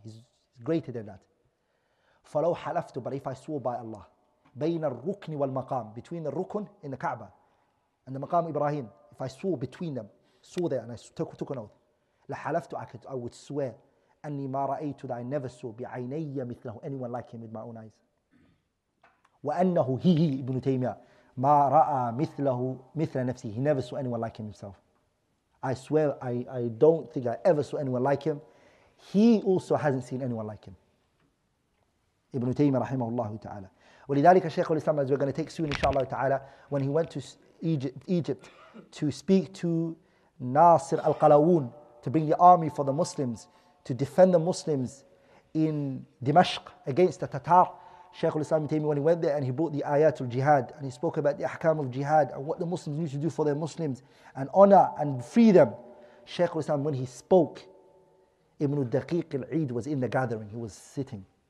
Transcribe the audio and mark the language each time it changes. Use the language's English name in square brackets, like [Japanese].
[English] He's greater than that. [Arabic] فَلَوْ حَلَفْتُ, [English] but if I swore by Allah, [Arabic] بَيْنَ الرُّكْنِ وَالْمَقَامِ, [English] between the rukun in the Kaaba and the maqam Ibrahim, if I swore between them, swore there, and I took an oath, [Arabic] لَحَلَفْتُ, [English] I would swear, [Arabic] أَنِّي مَا رَأَيْتُ, [English] that I never saw, [Arabic] بِعَيْنَيَّ مِثْلَهُ, [English] anyone like him with my own eyes. [Arabic] وَأَنَّهُ هِي إِبْنُ تَيْمِيَةَ مَا رَأَى مِثْلَهُ مِثْلَ نَفْسِهِ, [English] he never saw anyone like him himself. I swear, I don't think I ever saw anyone like him. He also hasn't seen anyone like him. Ibn Taymiyyah rahimahullah ta'ala. ولذلك Shaykh al-Islam, as we're going to take soon inshallah ta'ala, when he went to Egypt to speak to Nasir al-Qalawun, to bring the army for the Muslims, to defend the Muslims in Dimashq against the Tatar, Shaykh al-Islam Ibn Taymiyyah, when he went there and he brought the ayatul jihad and he spoke about the ahkam of jihad and what the Muslims need to do for their Muslims and honor and freedom, Shaykh al-Islam, when he spoke, Ibn al-Daqiq al-Eid was in the gathering, he was sitting.